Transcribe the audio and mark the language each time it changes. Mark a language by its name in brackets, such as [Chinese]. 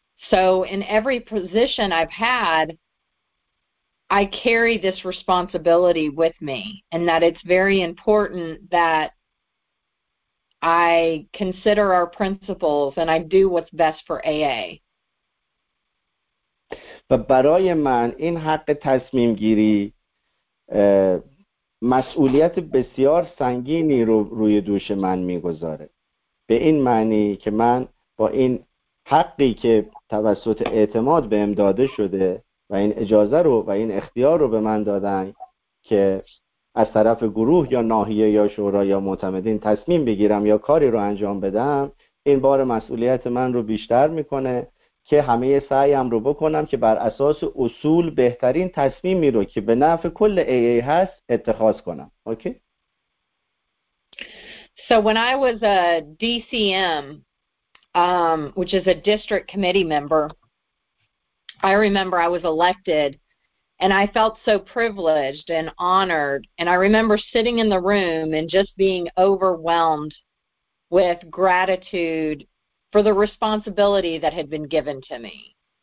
[English] So in every position I've had, I carry this responsibility with me, and that it's very important that I consider our principles and I do what's best for AA. But [Persian] برای من این حق تصمیم گیری مسئولیت بسیار سنگینی رو روی دوش من میگذاره، به این معنی که من با این حقی که توسط اعتماد به ام داده شده و این اجازه رو و این اختیار رو به من دادن که از طرف گروه یا ناحیه یا شورا یا معتمدین تصمیم بگیرم یا کاری رو انجام بدم، این بار مسئولیت من رو بیشتر میکنه که همه سعیم رو بکنم که بر اساس اصول بهترین تصمیمی رو که به نفع کل AA هست اتخاذ کنم. اوکی؟ [English] So when I was a DCM, which is a district committee member, I remember I was elected And I felt so privileged and honored. And I remember sitting in the room and just being overwhelmed with gratitude for the responsibility that had been given to me.